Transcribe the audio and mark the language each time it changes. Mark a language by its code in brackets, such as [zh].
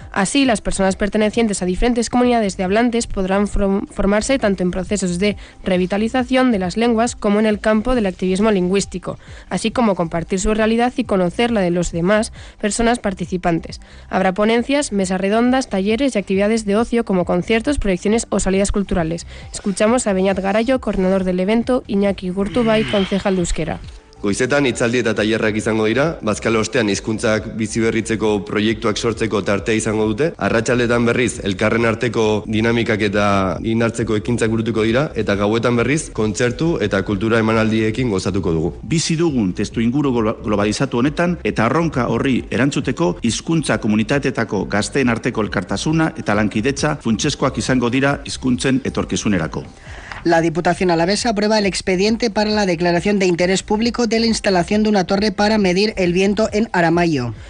[es] Así, las personas pertenecientes a diferentes comunidades de hablantes podrán formarse tanto en procesos de revitalización de las lenguas como en el campo del activismo lingüístico, así como compartir su realidad y conocer la de los demás personas participantes. Habrá ponencias, mesas redondas, talleres y actividades de ocio como conciertos, proyecciones o salidas culturales. Escuchamos a Beñat Garayo, coordinador del evento, Iñaki Gurtubay, concejal de Euskera. [eu] Goizetan hitzaldi eta tailerrak izango dira, bazkal ostean hizkuntzak biziberritzeko proiektuak sortzeko tartea izango dute, arratsaldetan berriz elkarren arteko dinamikak eta indartzeko ekintzak burutuko dira, eta gauetan berriz kontzertu eta kultura emanaldiekin gozatuko dugu. Bizi dugun testu inguru globalizatu honetan eta erronka horri erantzuteko hizkuntza komunitateetako gazteen arteko elkartasuna eta lankidetza funtsezkoak izango dira hizkuntzen etorkizunerako. [es] La Diputación Alavesa aprueba el expediente para la declaración de interés público de la instalación de una torre para medir el viento en Aramayo.